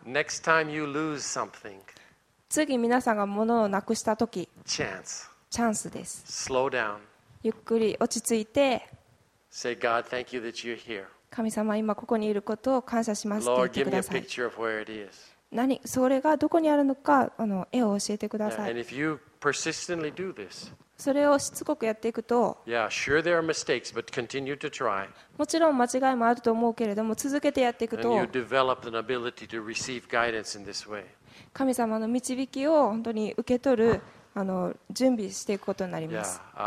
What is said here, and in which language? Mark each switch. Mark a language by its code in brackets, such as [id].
[en] Next time you lose something. [ja] 次皆さんが物をなくしたとき。 [en] Chance. [ja] チャンスです。 [en] Slow down. [ja] ゆっくり落ち着いて。 [en] Say God, thank you that you're here. [ja] 神様今ここにいることを感謝しますって言ってください。 [en] Lord, give me a picture of where it is. [ja] 何それがどこにあるのか絵を教えてください。 [en] And if you persistently do this. [ja] それをしつこくやっていくと、 [en] yeah, sure、there are mistakes, but continue to try. [ja] もちろん間違いもあると思うけれども続けてやっていくと、 [en] And you develop an ability to receive guidance in this way. [ja] 神様の導きを本当に受け取る準備していくことになります。